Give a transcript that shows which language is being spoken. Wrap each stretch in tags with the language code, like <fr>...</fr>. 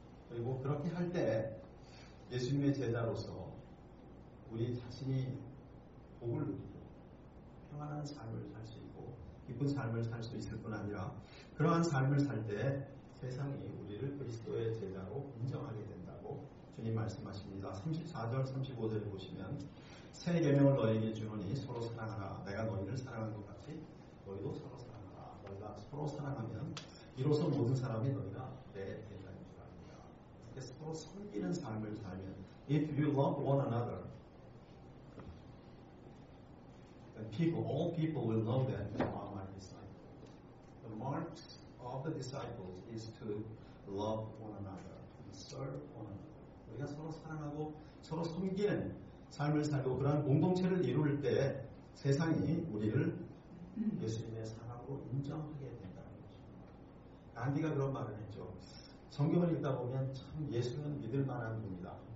<ko>그리고 그렇게 할 때 예수님의 제자로서 우리 자신이 복을 누리고 평안한 삶을 살 수 있고 기쁜 삶을 살 수 있을 뿐 아니라 그러한 삶을 살 때 세상이 우리를 그리스도의 제자로 인정하게 된다고 주님 말씀하십니다. 34절 35절을 보시면 새 계명을 너희에게 주노니 서로 사랑하라. 내가 너희를 사랑한 것 같이 너희도 서로 사랑하라. 너희가 서로 사랑하면 이로써 모든 사람이 너희가 내 제자인 줄 압니다. 서로 섬기는 삶을 살면</ko> <en>If you love one another then people, all people will know that you are my disciples. The marks of the disciples is to love one another and serve one another.</en> <ko>우리가 서로 사랑하고 서로 섬기는 삶을 살고 그러한 공동체를 이룰 때 세상이 우리를 예수님의 사랑으로 인정하게 된다는 것입니다. 간디가 그런 말을 했죠. 성경을 읽다 보면 참 예수는 믿을 만한 분이다.</ko>